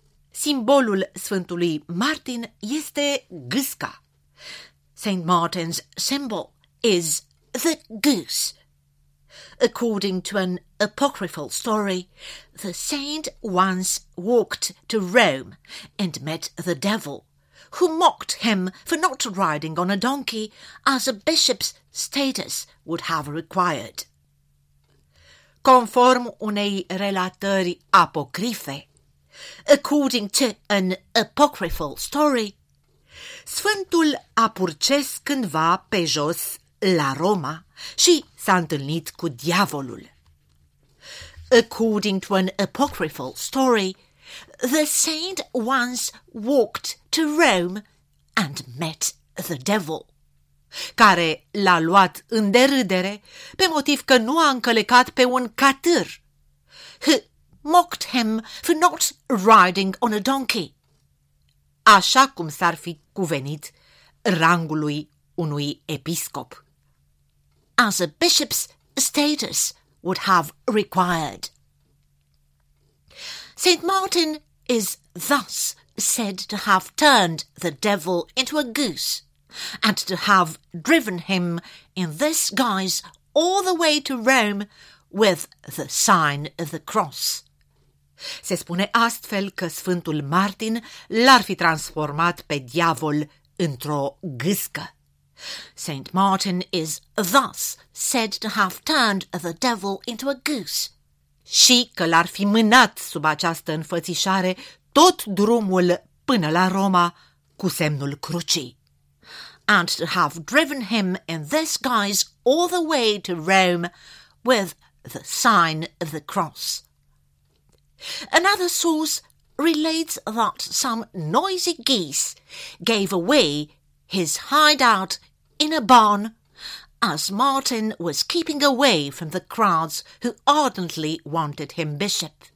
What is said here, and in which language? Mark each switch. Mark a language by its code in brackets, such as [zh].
[ro] Simbolul Sfântului Martin este gâsca. [en] Saint Martin's symbol is the goose. According to an apocryphal story, the saint once walked to Rome and met the devil, who mocked him for not riding on a donkey as a bishop's status would have required. [ro] Conform unei relatări apocrife, [en] according to an apocryphal story, [ro] Sfântul a purces cândva pe jos la Roma și s-a întâlnit cu diavolul. [en] According to an apocryphal story, the saint once walked to Rome and met the devil, [ro] care l-a luat în derâdere pe motiv că nu a încălecat pe un catâr. [en] He mocked him for not riding on a donkey. [ro] Așa cum s-ar fi cuvenit rangului unui episcop. [en] As a bishop's status would have required. Saint Martin is thus said to have turned the devil into a goose, and to have driven him in this guise all the way to Rome with the sign of the cross. [ro] Se spune astfel că Sfântul Martin l-ar fi transformat pe diavol într-o gâscă. [en] Saint Martin is thus said to have turned the devil into a goose. [ro] Și că l-ar fi mânat sub această înfățișare tot drumul până la Roma cu semnul crucii. [en] And to have driven him in this guise all the way to Rome with the sign of the cross. Another source relates that some noisy geese gave away his hideout in a barn as Martin was keeping away from the crowds who ardently wanted him bishop.